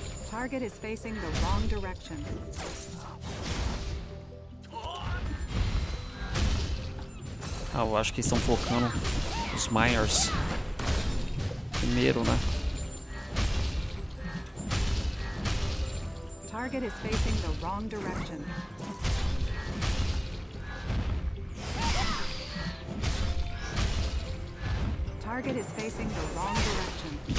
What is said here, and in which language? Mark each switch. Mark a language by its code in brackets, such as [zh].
[en] Target is facing the wrong direction. [pt] Ah, eu acho que estão focando os miners primeiro, né? [en] Target is facing the wrong direction. Target is facing the wrong direction.